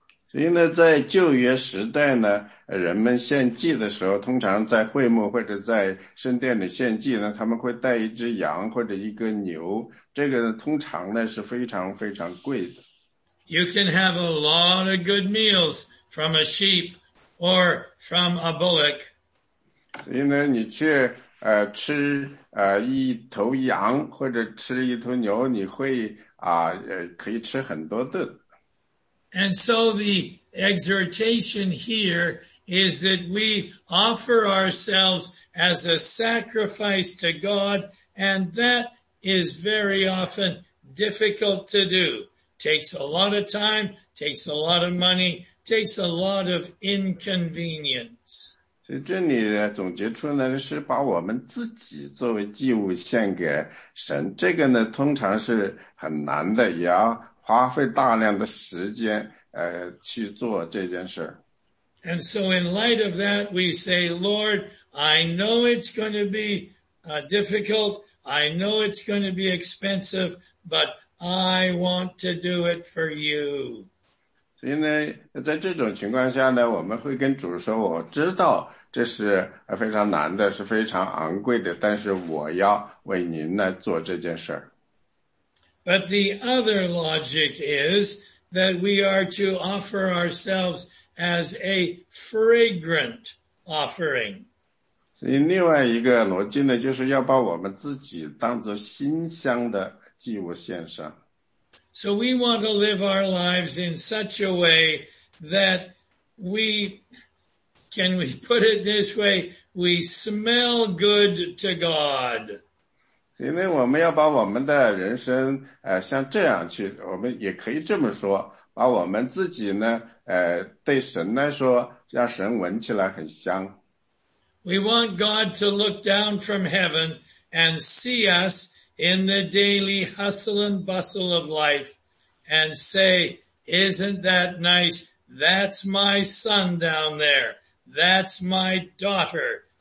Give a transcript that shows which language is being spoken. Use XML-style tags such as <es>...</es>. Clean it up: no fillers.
<zh>所以呢，在旧约时代呢，人们献祭的时候，通常在会幕或者在圣殿里献祭呢，他们会带一只羊或者一个牛，这个呢，通常呢是非常非常贵的。</zh> <en>You can have a lot of good meals from a sheep or from a bullock.</en> <zh>所以呢，你去吃一头羊或者吃一头牛，你会可以吃很多顿。</zh> <en>And so the exhortation here is that we offer ourselves as a sacrifice to God, and that is very often difficult to do. Takes a lot of time, takes a lot of money, takes a lot of inconvenience.</en> <zh>所以这里总结出来的是把我们自己作为祭物献给神，这个呢通常是很难的，也要花费大量的时间去做这件事。</zh> <en>And so in light of that, we say, Lord, I know it's going to be difficult. I know it's going to be expensive, but I want to do it for you.</en> <zh>所以呢，在这种情况下呢，我们会跟主说，我知道这是非常难的，是非常昂贵的，但是我要为您来做这件事。</zh> <en>But the other logic is that we are to offer ourselves as a fragrant offering.</en> <zh>所以另外一个逻辑呢，就是要把我们自己当作馨香的祭物献上。</zh> <en>So we want to live our lives in such a way that we, can we put it this way, we smell good to God.</en> <zh>所以呢，我们要把我们的人生像这样去，我们也可以这么说，把我们自己呢对神来说，让神闻起来很香。</zh> <en>We want God to look down from heaven and see us in the daily hustle and bustle of life and say, isn't that nice? That's my son down there. That's my daughter.</en>